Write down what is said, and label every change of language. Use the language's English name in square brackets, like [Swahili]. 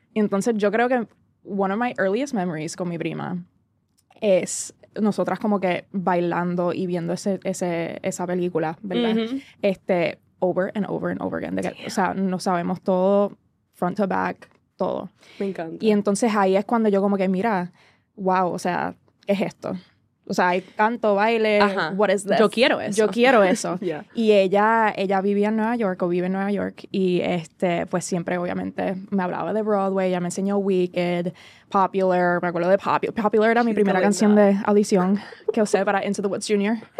[Spanish] Y entonces yo creo que [English] one of my earliest memories [Spanish] con mi prima es nosotras como que bailando y viendo esa película, ¿verdad? [English] Uh-huh. Over and over and over again. [Spanish] O sea, nos sabemos todo, [English] front to back, [Spanish] todo. Me encanta. Y entonces ahí es cuando yo como que, mira, wow, o sea, ¿qué es esto? O sea, hay canto, baile, [English] what is this? [Spanish] Yo quiero eso. Yo quiero eso. [English] Yeah. [Spanish] Y ella vivía en Nueva York, o vive en Nueva York, y pues siempre, obviamente, me hablaba de Broadway, ella me enseñó Wicked, Popular, me acuerdo de Popular. Popular era mi primera canción de audición que usé para Into the Woods Junior.